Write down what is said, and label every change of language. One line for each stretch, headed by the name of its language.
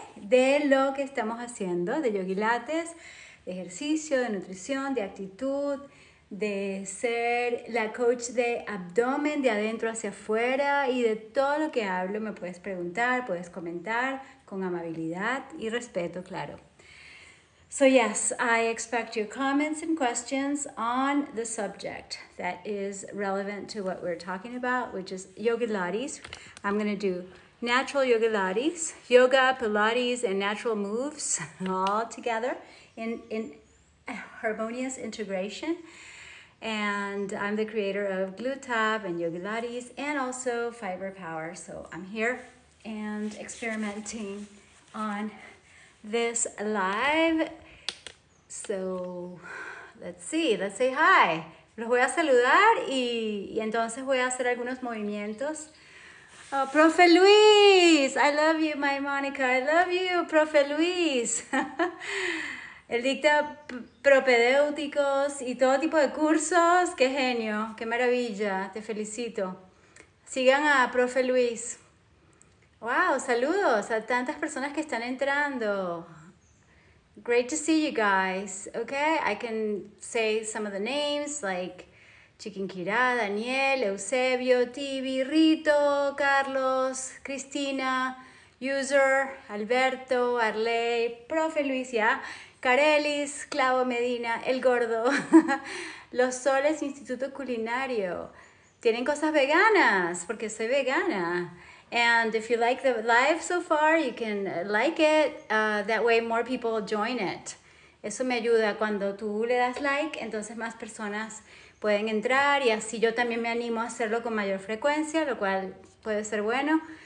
Spanish: De lo que estamos haciendo, de Yogi Lattes, de ejercicio, de nutrición, de actitud, de ser la coach de abdomen, de adentro hacia afuera y de todo lo que hablo, me puedes preguntar, puedes comentar con amabilidad y respeto, claro.
English: So yes, I expect your comments and questions on the subject that is relevant to what we're talking about, which is Yogi Lattes. I'm gonna do natural Yogi Lattes, yoga, Pilates, and natural moves all together in harmonious integration. And I'm the creator of Glutab and Yogi Lattes and also Fiber Power. So I'm here and experimenting on this live. So, let's say hi.
Spanish: Los voy a saludar y entonces voy a hacer algunos movimientos.
English: Oh, profe Luis, I love you, my Monica. I love you, profe Luis.
Spanish: Él dicta propedéuticos y todo tipo de cursos. Qué genio, qué maravilla, te felicito. Sigan a profe Luis. Wow, saludos a tantas personas que están entrando.
English: Great to see you guys. Okay, I can say some of the names like Chiquinquirá, Daniel, Eusebio, Tibi, Rito, Carlos, Cristina, User, Alberto, Arley, Profe Luis, Carelis, Clavo Medina, El Gordo, Los Soles, Instituto Culinario.
Spanish: Tienen cosas veganas porque soy vegana.
English: And if you like the live so far, you can like it. That way, more people join it.
Spanish: Eso me ayuda. Cuando tú le das like, entonces más personas pueden entrar y así yo también me animo a hacerlo con mayor frecuencia, lo cual puede ser bueno.